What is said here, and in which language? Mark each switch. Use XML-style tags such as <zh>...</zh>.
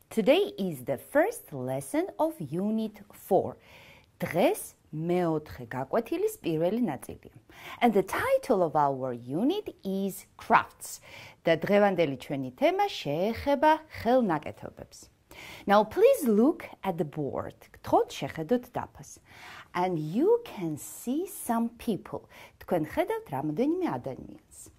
<en>Today is the first lesson of unit 4.</en> <ka>დღეს მეოთხე გაკვეთილის პირველი ნაწილია.</ka> <en>And the title of our unit is crafts.</en> <ka>და დღევანდელი ჩვენი თემა შეეხება ხელნაკეთობებს.</ka> <en>Now please look at the board.</en> <ka>გთხოვთ შეხედოთ დაფას.</ka> <en>And you can see some people.</en> <ka>თქვენ ხედავთ რამოდენიმე ადამიანს.</ka>